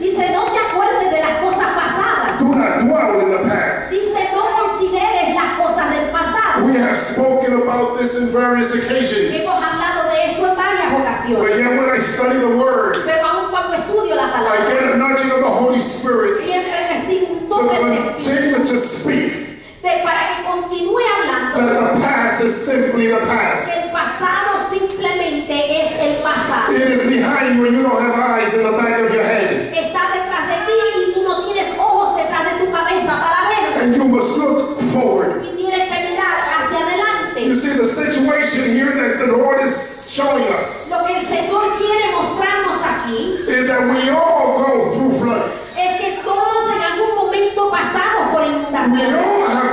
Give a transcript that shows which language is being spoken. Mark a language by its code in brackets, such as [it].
[es] Dice, no te acuerdes de las cosas pasadas. [en] Do not dwell in the past. [es] Dice, no consideres las cosas del pasado. [en] We have spoken about this in various occasions. [es] Hemos hablado de esto en varias ocasiones. [en] But yet when I study the word, [es] pero aun cuando estudio la palabra, [en] I get a nudging of the Holy Spirit. [es] Siempre recibo un toque del Espíritu. [en] Continue to speak. [es] De para que continúe hablando. [en] That the past is simply the past. [es] El pasado simplemente es el pasado. [en] It is behind when you don't have eyes in the back of your head. [es] Está detrás de ti y tú no tienes ojos detrás de tu cabeza para ver. [en] And you must look forward. [es] Y tienes que mirar hacia adelante. [en] You see the situation here that the Lord is showing us. [es] Lo que el Señor quiere mostrarnos aquí. [en] Is that we all go through floods. [es] Es que todos en algún momento pasamos por inundaciones.